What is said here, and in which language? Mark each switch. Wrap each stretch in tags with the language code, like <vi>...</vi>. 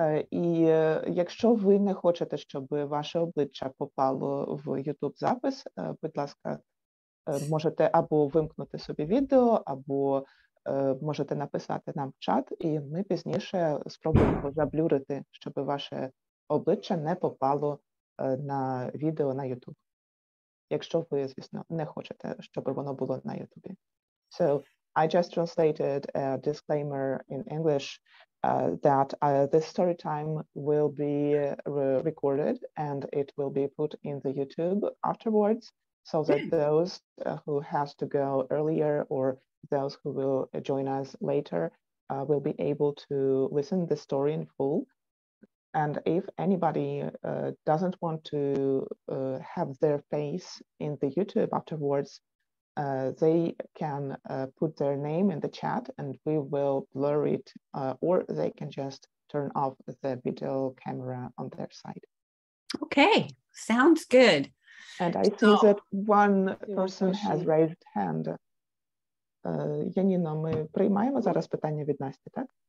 <uk>І якщо ви не хочете, щоб ваше обличчя попало в YouTube-запис, будь ласка, можете або вимкнути собі відео, або можете написати нам в чат, і ми пізніше спробуємо заблюрити, щоб ваше обличчя не попало на відео на YouTube. Якщо ви, звісно, не хочете, щоб воно було на YouTube.</uk> <en>So, I just translated a disclaimer in English that this story time will be recorded and it will be put in the YouTube afterwards, so that those who have to go earlier or those who will join us later will be able to listen the story in full. And if anybody doesn't want to have their face in the YouTube afterwards, they can put their name in the chat and we will blur it, or they can just turn off the video camera on their side. Okay, sounds good. And I see that one person has raised hand.</en> <uk>Яніно, ми приймаємо зараз питання від Насті, так?</uk>